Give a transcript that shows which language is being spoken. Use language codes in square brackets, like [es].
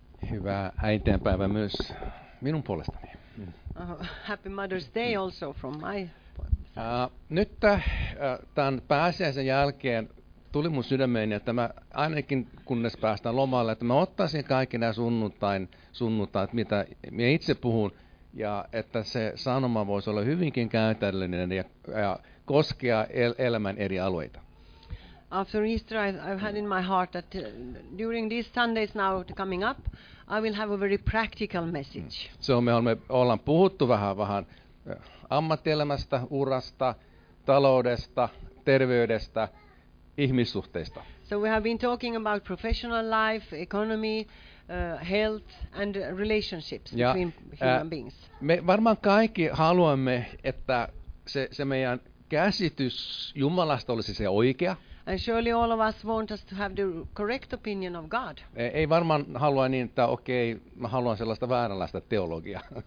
[fi] Hyvää äitienpäivää myös minun puolestani. [en] Happy Mother's Day also from my point. [fi] Nyt tämän pääsiäisen jälkeen tuli mun sydämeeni, että mä ainakin kunnes päästään lomalle, että mä ottaisin kaikki nämä sunnuntain, mitä minä itse puhun, ja että se sanoma voisi olla hyvinkin käytännöllinen ja koskea elämän eri alueita. [en] After Easter, I've had in my heart that during these Sundays now coming up, I will have a very practical message. [fi] So me ollaan puhuttu vähän ammattielämästä, urasta, taloudesta, terveydestä, ihmissuhteista. [en] So we have been talking about professional life, economy, health and relationships between human beings. [fi] Me varmaan kaikki haluamme, että se meidän käsitys Jumalasta olisi se oikea. [en] And surely all of us want us to have the correct opinion of God. [fi] Ei varmaan halua niin, että okei, mä haluan sellaista vääränlaista teologiaa.